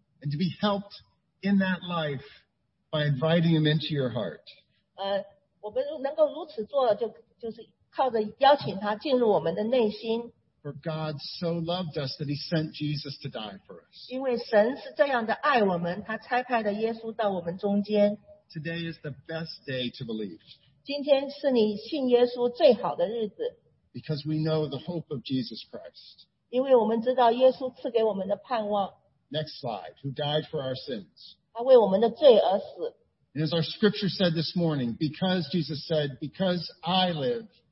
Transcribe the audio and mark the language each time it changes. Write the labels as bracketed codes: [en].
[en] And to be helped in that life by inviting him into your heart. [zh] 我们能够如此做就是靠着邀请他进入我们的内心。 [en] For God so loved us that he sent Jesus to die for us. [zh] 因为神是这样的爱我们, 祂差派的耶稣到我们中间。 [en] Today is the best day to believe. [zh] 今天是你信耶稣最好的日子。 [en] Because we know the hope of Jesus Christ. [zh] 因为我们知道耶稣赐给我们的盼望。 [en] Next slide, who died for our sins. [zh] 祂为我们的罪而死。 [en] And as our scripture said this morning, because Jesus said, because I live,